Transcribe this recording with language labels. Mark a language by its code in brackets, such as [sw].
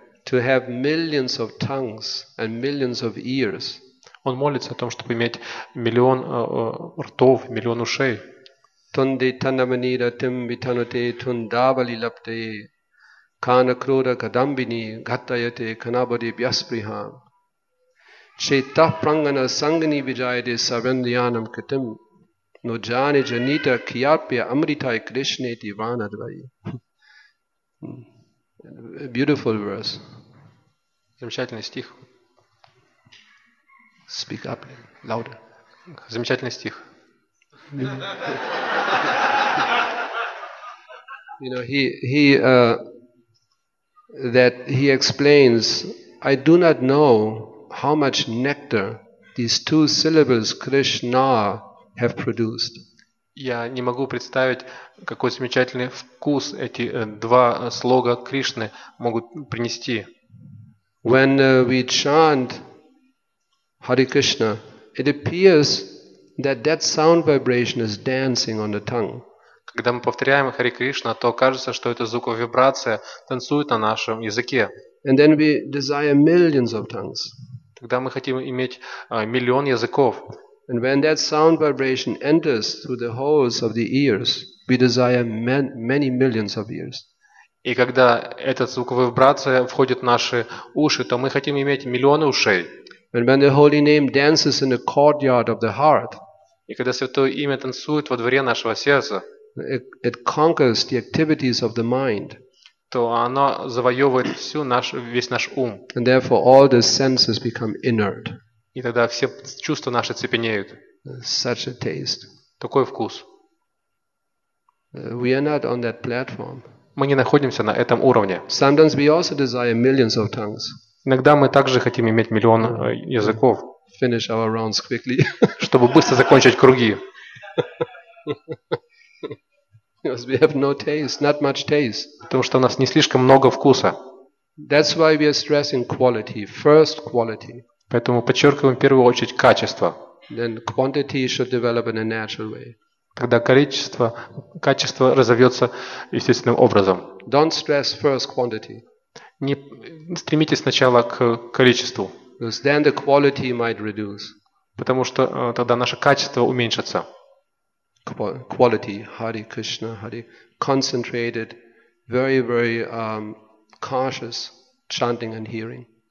[en] To have millions of tongues and millions of ears. [ru] Он молится о том, чтобы иметь миллион ртов, миллион ушей. [sa] Tunde tanamanira tim vitanute tundavali lapte kana krodha kadambini ghatayate kanabade vyaspriha cheta prangana sangani vijayate sarvandhyanam kritim no jane janita kiyapya amritai krishneti vanadvai. [en] Beautiful verse. [ru] Замечательный стих. [en] Speak up louder. [ru] Замечательный стих. [en] You know, he explains, I do not know how much nectar these two syllables Krishna have produced. [ru] Я не могу представить, какой замечательный вкус эти два слога Кришны могут принести. [en] When we chant Hare Krishna, it appears that sound vibration is dancing on the tongue. [ru] Когда мы повторяем Хари Кришна, то кажется, что эта звуковая вибрация танцует на нашем языке. [en] And then we desire millions of tongues. [ru] Тогда мы хотим иметь миллион языков. [en] And when that sound vibration enters through the holes of the ears, we desire many millions of ears. [ru] И когда эта звуковая вибрация входит в наши уши, то мы хотим иметь миллионы ушей. [en] And when the holy name dances in the courtyard of the heart, [ru] и когда святое имя танцует во дворе нашего сердца, [en] it conquers the activities of the mind, [ru] то оно завоевывает всю наш весь наш ум, [en] and therefore all the senses become inert, [ru] и тогда все чувства наши цепенеют. [en] Such a taste, [ru] такой вкус. [en] We are not on that platform. [ru] Мы не находимся на этом уровне. [en] Sometimes we also desire millions of tongues. [ru] Иногда мы также хотим иметь миллион языков, [en] finish our rounds quickly. [ru] Чтобы быстро закончить круги. [en] We have no taste, not much taste. [ru] Потому что у нас не слишком много вкуса. [en] That's why we are stressing quality, first quality. [ru] Поэтому подчеркиваем в первую очередь качество. [en] Then quantity should develop in a natural way. [ru] тогда качество разовьется естественным образом. [en] Don't stress first quantity. [ru] Не стремитесь сначала к количеству. [en] Because then the quality might reduce. [ru] Потому что тогда наше качество уменьшится. [en] Quality, Hare Krishna, Hare, concentrated, very, very cautious chanting and hearing.